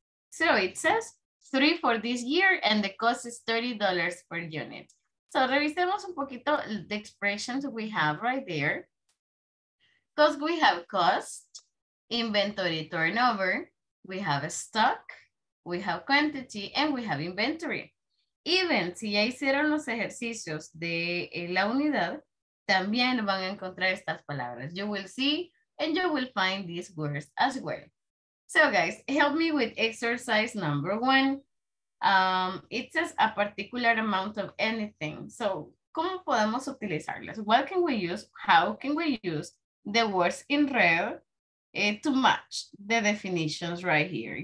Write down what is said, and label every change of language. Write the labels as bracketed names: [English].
[English] So it says three for this year and the cost is $30 per unit. So [Spanish] revisemos un poquito [English] the expressions we have right there. Because we have cost, inventory turnover, we have stock, we have quantity, and we have inventory. Even [Spanish] si ya hicieron los ejercicios de la unidad, también van a encontrar estas palabras. [English] You will see and you will find these words as well. So guys, help me with exercise number one. It says a particular amount of anything. So, [Spanish] ¿cómo podemos utilizarlas? [English] What can we use? How can we use the words in red to match the definitions right here?